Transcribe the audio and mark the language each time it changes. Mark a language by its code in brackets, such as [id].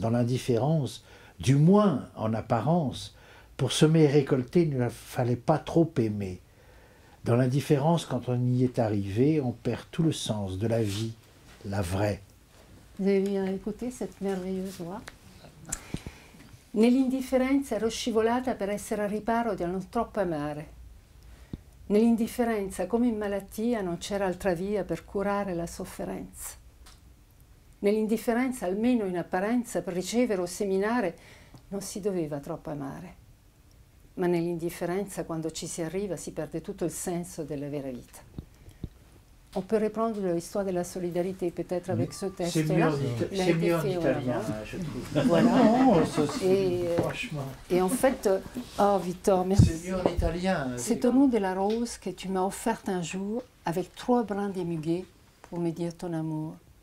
[fr] Dans l'indifférence, du moins en apparence, pour semer et récolter, il ne fallait pas trop aimer. Dans l'indifférence, quand on y est arrivé, on perd tout le sens de la vie, la vraie. Vous avez bien écouté cette merveilleuse voix. [it] Nell'indifferenza ero scivolata per essere al riparo di non troppo amare. Nell'indifferenza, come in malattia, non c'era altra via per curare la sofferenza. Nell'indifferenza, almeno in apparenza, per ricevere o seminare, non si doveva troppo amare. Ma nell'indifferenza, quando ci si arriva, si perde tutto il senso della vera vita. [fr] On peut reprendre l'histoire de la solidarité peut-être avec ce texte-là. C'est mieux en italien, je trouve. Voilà. Non, franchement. Et en fait, oh Victor, merci. C'est mieux en italien. C'est au nom de la rose que tu m'as offerte un jour avec trois brins de muguet pour me dire ton amour.